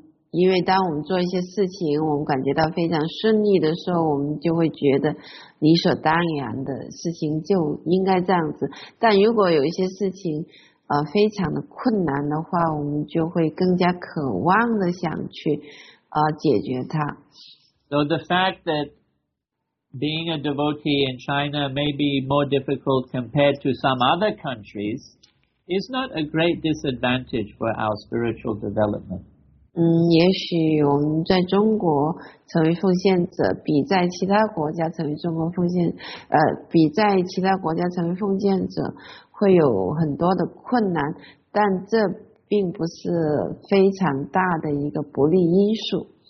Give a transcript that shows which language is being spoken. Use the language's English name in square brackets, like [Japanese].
[Chinese] 因为当我们做一些事情，我们感觉到非常顺利的时候，我们就会觉得理所当然的事情就应该这样子。但如果有一些事情，非常的困难的话，我们就会更加渴望的想去，解决它。 [English] So the fact that being a devotee in China may be more difficult compared to some other countries is not a great disadvantage for our spiritual development. [Chinese] 也许我们在中国成为奉献者，比在其他国家成为中国奉献，比在其他国家成为奉献者会有很多的困难，但这并不是非常大的一个不利因素。